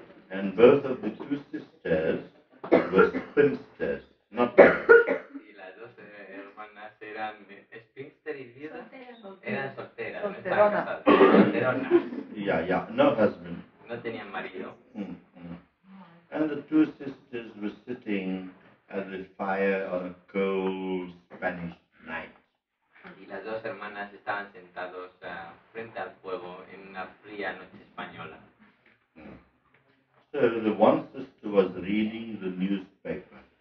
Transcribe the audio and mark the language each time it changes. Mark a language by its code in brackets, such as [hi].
[en] And both of the two sisters were spinsters, not married. [es] Y las dos hermanas eran spinster y viuda. Eran solteras. Solteronas. Solteronas. [en] Yeah, yeah. No husband. [es] No tenían marido. [en] And the two sisters were sitting at the fire on a cold Spanish night. [es] Y las dos hermanas estaban sentados frente al fuego en una fría noche española. [en] So the one sister was reading the newspaper.